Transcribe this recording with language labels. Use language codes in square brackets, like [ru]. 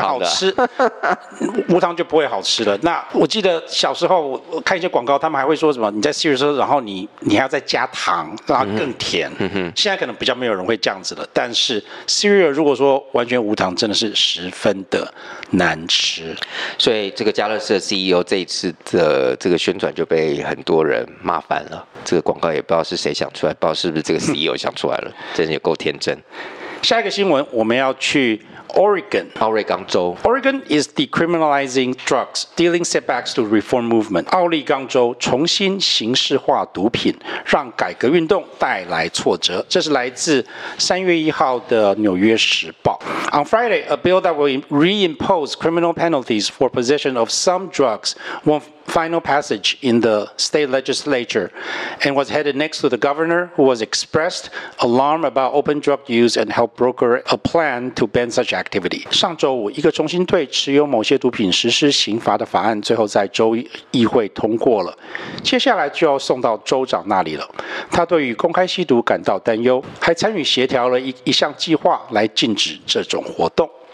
[zh] 好吃无糖就不会好吃了。那我记得小时候我看一些广告，他们还会说什么你在 cereal 时候然后你还要再加糖让它更甜、现在可能比较没有人会这样子了，但是 cereal 如果说完全无糖真的是十分的难吃。所以这个家乐士的 CEO 这一次的这个宣传就被很多人骂翻了，这个广告也不知道是谁想出来，不知道是不是这个 CEO 想出来了，真的也够天真。下一个新闻我们要去Oregon，奥瑞冈州。 [en] Oregon is decriminalizing drugs, dealing setbacks to reform movement. [zh] 奥瑞冈州重新刑事化毒品，让改革运动带来挫折。这是来自3月1日的《纽约时报》。 [en] On Friday, a bill that will reimpose criminal penalties for possession of some drugs won final passage in the state legislature, and was headed next to the governor, who was expressed alarm about open drug use and helped broker a plan to ban such. activity. [zh] 上周五，一个重新对持有某些毒品实施刑罚的法案最后在州议会通过了，接下来就要送到州长那里了。他对于公开吸毒感到担忧，还参与协调了一项计划来禁止这种活动。